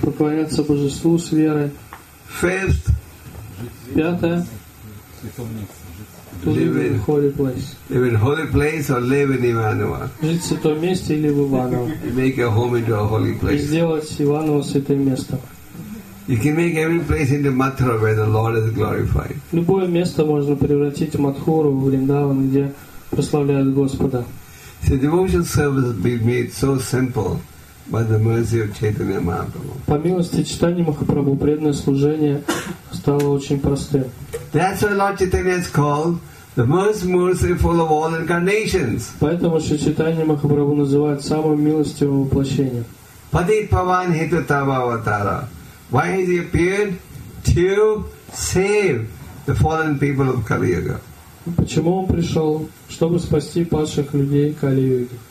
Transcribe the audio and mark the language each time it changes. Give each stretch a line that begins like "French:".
Russian: Поклоняться божеству с верой.
English: Fifth.
Russian: Пятое.
English: Live in holy place. Live in holy place or live in Иваново.
Russian: Жить в святом месте или в Иваново.
English: Make a home into a holy place.
Russian: И сделать Иваново святым местом.
English: You can make every place into Mathura where the Lord is glorified.
Russian: Любое место можно превратить в Матхуру, в Вриндаван, где прославляют Господа.
English: See, devotional service be made so simple by the mercy of Chaitanya Mahaprabhu.
Russian: По милости Чайтаньи Махапрабху преданное служение стало очень простым.
English: That's why Lord Chaitanya is called the most merciful of all incarnations.
Russian: Поэтому Шри Чайтанья Махапрабху называют самым милостивым воплощением.
Sanskrit: Падит паван хиту тава аватара.
English: Why has he appeared? To save the fallen people of Kali Yuga.
Russian: Почему он пришел? Чтобы спасти падших людей Кали-юги.